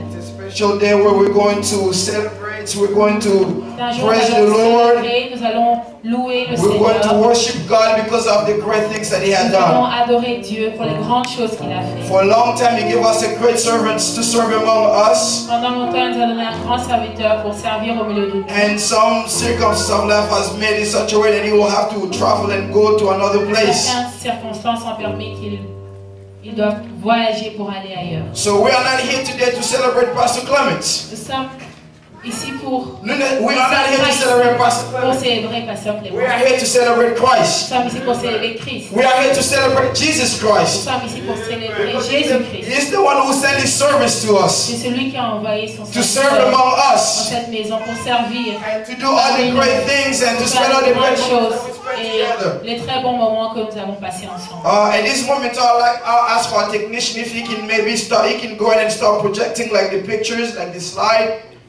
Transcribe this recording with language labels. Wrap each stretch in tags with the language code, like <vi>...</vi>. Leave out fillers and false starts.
<en>It's a special day where we're going to celebrate, we're going to praise the Lord.</en> <fr>Nous allons louer le Seigneur.</fr> <en>We're going to worship God because of the great things that he has done.</en> <fr>Nous allons adorer Dieu pour les grandes choses qu'il a fait.</fr> <en>For a long time he gave us a great servant to serve among us.</en> <fr>Pendant longtemps il nous a donné un grand serviteur pour servir au milieu de nous.</fr> <en>And some circumstances of life has made it such a way that he will have to travel and go to another place.</en> <fr>Certaines circonstances ont permis qu'il doit voyager pour aller ailleurs.</fr> <en>So we are not here today to celebrate Pastor Clement.</en> <fr>Ici pour</fr> <en>we are not here to celebrate Pastor Clement. We are here to celebrate Christ.</en> <fr>Nous sommes ici pour célébrer Christ.</fr> <en>We are here to celebrate Jesus Christ.</en> <fr>Nous sommes ici pour célébrer Jésus Christ.</fr> <en>He is the one who sent his service to us.</en> <fr>C'est celui qui a envoyé son service.</fr> <en>To serve among us.</en> <fr>Dans cette maison pour servir.</fr> <en>To do all the great things and to spend all the great moments.</en> <fr>Et les très bons moments que nous avons passés ensemble.</fr> <en>At this moment, I'll ask for a technician if he can maybe start. He can go ahead and start projecting like the pictures, like the slide.</en>